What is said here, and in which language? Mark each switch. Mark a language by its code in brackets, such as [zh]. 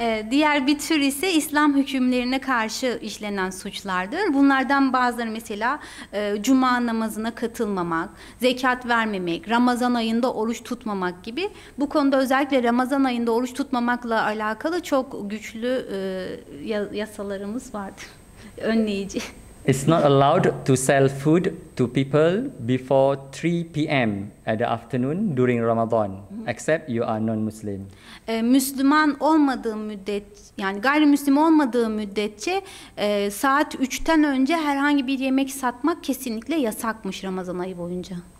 [tr] Diğer bir tür ise İslam hükümlerine karşı işlenen suçlardır. Bunlardan bazıları mesela cuma namazına katılmamak, zekat vermemek, Ramazan ayında oruç tutmamak gibi. Bu konuda özellikle Ramazan ayında oruç tutmamakla alakalı çok güçlü yasalarımız vardı. Önleyici. [en] It's not allowed to sell food to people before 3 p.m. at the afternoon during Ramadan, except you are non-Muslim. [tr] Müslüman olmadığı müddet, yani gayrimüslim olmadığı müddetçe saat 3'ten önce herhangi bir yemek satmak kesinlikle yasakmış Ramazan ayı boyunca.